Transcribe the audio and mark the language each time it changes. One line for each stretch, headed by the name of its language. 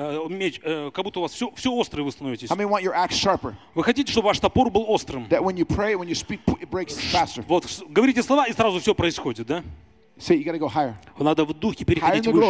Russian: Меч, как будто у вас все острое вы становитесь.
English: How many want your axe sharper?
Russian: Вы хотите, чтобы ваш топор был острым?
English: That when you pray, when you speak, it breaks faster.
Russian: Вот говорите слова и сразу все происходит, да?
English: See, you gotta go higher.
Russian: Вы надо в духе переходить выше,